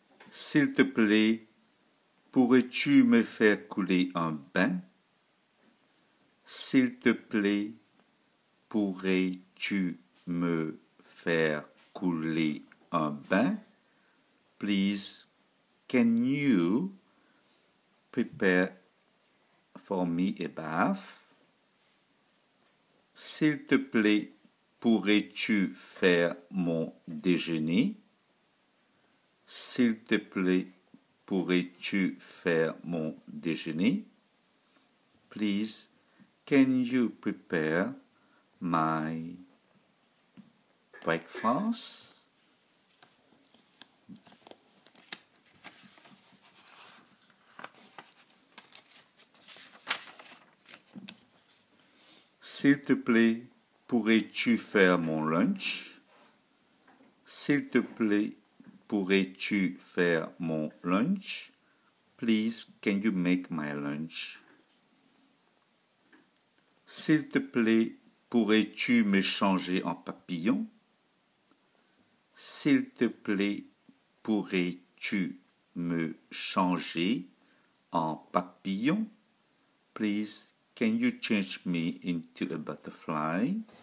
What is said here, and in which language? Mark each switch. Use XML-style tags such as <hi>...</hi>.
<fr>S'il te plaît, pourrais-tu me faire couler un bain? S'il te plaît, pourrais-tu me faire couler un bain?</fr> <en>Please, can you prepare for me a bath?</en> <fr>S'il te plaît, pourrais-tu faire mon déjeuner? S'il te plaît, pourrais-tu faire mon déjeuner?</fr> <en>Please, can you prepare my breakfast?</en> <fr>S'il te plaît, pourrais-tu faire mon lunch? S'il te plaît, pourrais-tu faire mon lunch?</fr> <en>Please, can you make my lunch?</en> <fr>S'il te plaît, pourrais-tu me changer en papillon? S'il te plaît, pourrais-tu me changer en papillon?</fr> <en>Please, can you change me into a butterfly?</en>